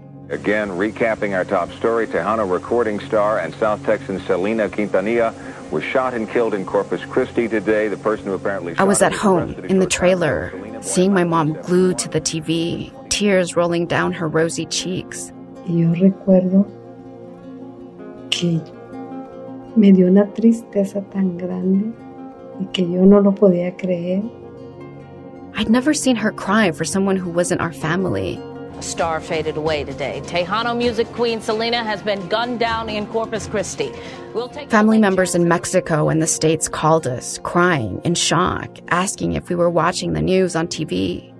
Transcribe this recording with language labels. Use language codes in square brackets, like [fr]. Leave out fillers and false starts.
[en] Again, recapping our top story, Tejano recording star and South Texan Selena Quintanilla was shot and killed in Corpus Christi today. The person who apparently shot I was at home in the trailer, seeing my mom glued to the TV, tears rolling down her rosy cheeks. [es] Yo recuerdo que me dio una tristeza tan grande y que yo no lo podía creer. [en] I'd never seen her cry for someone who wasn't our family. A star faded away today. Tejano music queen Selena has been gunned down in Corpus Christi. Family members in Mexico and the States called us, crying, in shock, asking if we were watching the news on TV.